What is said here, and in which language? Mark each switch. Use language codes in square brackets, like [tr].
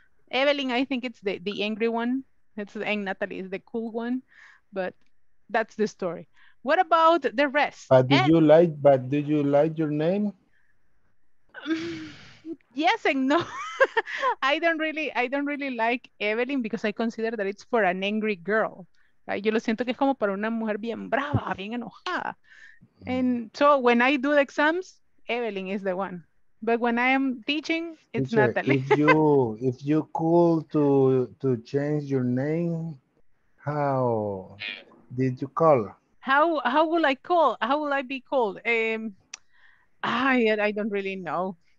[en] Evelyn, I think it's the angry one. And Natalie is the cool one. But that's the story. What about the rest? But did you like your name? Yes and no. I don't really like Evelyn because I consider that it's for an angry girl. Right? [es] Yo lo siento que es como para una mujer bien brava, bien enojada. [en] And so when I do the exams, Evelyn is the one. But when I am teaching, it's teacher, Natalie. if you could to change your name, how did you call? How will I be called? I don't really know.